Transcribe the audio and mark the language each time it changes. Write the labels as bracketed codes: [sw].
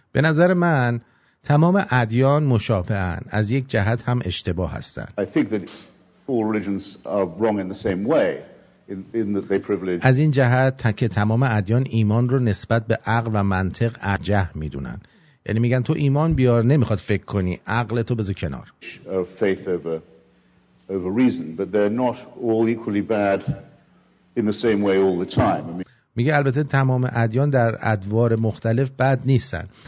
[fa] به نظر من تمام ادیان مشابهن، از یک جهت هم اشتباه هستن. [en] I think that all religions are wrong in the same way in that they privilege. [fa] از این جهت که تمام ادیان ایمان رو نسبت به عقل و منطق ارجح میدونن. یعنی میگن تو ایمان بیار، نمیخواد فکر کنی، عقل تو بذار کنار. [en] Faith over reason, but they're not all equally bad. In the same way all the time. I mean, [fa] میگه البته تمام ادیان در ادوار مختلف بد نیستن.